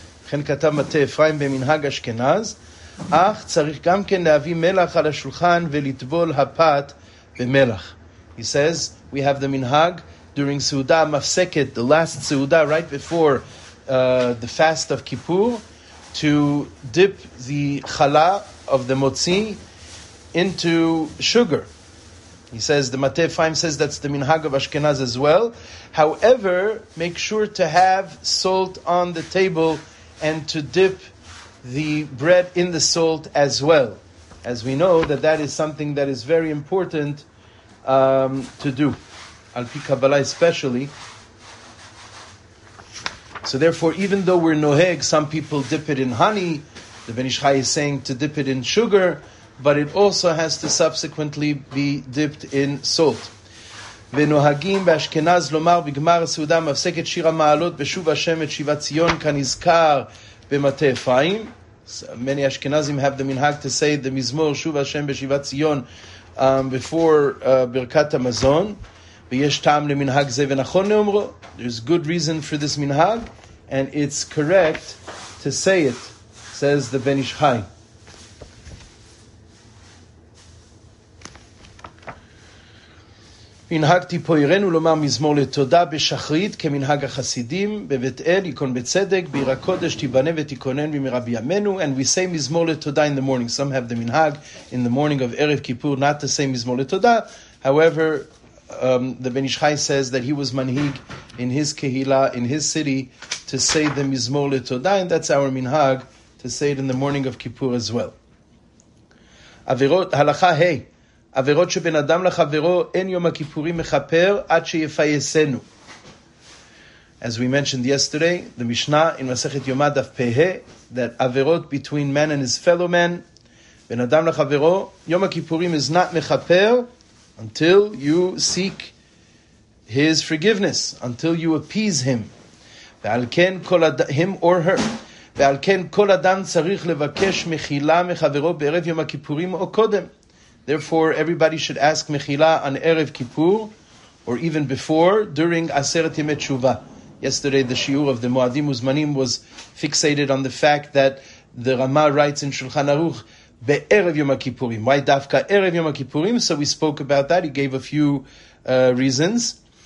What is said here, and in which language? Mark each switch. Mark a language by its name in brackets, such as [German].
[Hebrew] כן כתב מתי אפרים במנהג אשכנז, אך צריך גם כן להביא מלח על השולחן ולטבול הפת במלח. [English] He says, we have the minhag during Seuda Mafseket, the last Seuda, right before the fast of Kippur, to dip the chala of the motzi into sugar. He says, the Matei Ephraim says that's the minhag of Ashkenaz as well. However, make sure to have salt on the table and to dip the bread in the salt as well. As we know, that is something that is very important to do. Alpi Kabbalah especially. So therefore, even though we're noheg, some people dip it in honey, the Ben Ish Chai is saying to dip it in sugar, but it also has to subsequently be dipped in salt. [Hebrew] ונוהגים באשכנז לומר בגמר הסעודה מפסקת שיר המעלות בשוב השם את שיבת ציון כנזכר במטה אפיים. [English] Many Ashkenazim have the minhag to say the mizmor [Hebrew] שוב השם בשיבת ציון [English] before ברכת המזון. [Hebrew] ויש טעם למנהג זה ונכון לאומרו. [English] There's good reason for this minhag and it's correct to say it, says the Ben Ish Chai. [Hebrew] הנהגתי פה עירנו לומר מזמור לתודה בשחרית כמנהג החסידים בבית אל יקון בצדק בעיר הקודש תיבנה ותיכונן במרבי ימינו. [English] And we say מזמור לתודה in the morning. Some have the minhag in the morning of Erev Kippur not to say מזמור לתודה. However, the Ben Ish Chai says that he was manhig in his kehila, in his city, to say the מזמור לתודה. And that's our minhag, to say it in the morning of Kippur as well. [Hebrew] עבירות, הלכה ה' hey. עבירות שבין אדם לחברו אין יום הכיפורים מחפר עד שיפייסנו. [English] As we mentioned yesterday, the Mishnah in Masechet Yoma Daf Pehe, that עבירות between man and his fellow man, [Hebrew] בין אדם לחברו, [English] יום הכיפורים is not מחפר until you seek his forgiveness, until you appease him. [Hebrew] ועל כן כל אדם, [English] him or her. [Hebrew] ועל כן כל אדם צריך לבקש מחילה מחברו בערב יום הכיפורים או קודם. [English] Therefore, everybody should ask Mechila on Erev Kippur, or even before, during Aseret Yemei Teshuvah. Yesterday, the shiur of the Moadim Uzmanim was fixated on the fact that the Rama writes in Shulchan Aruch, Be'erev Yom HaKippurim. Why Dafka Erev Yom HaKippurim? So we spoke about that. He gave a few reasons.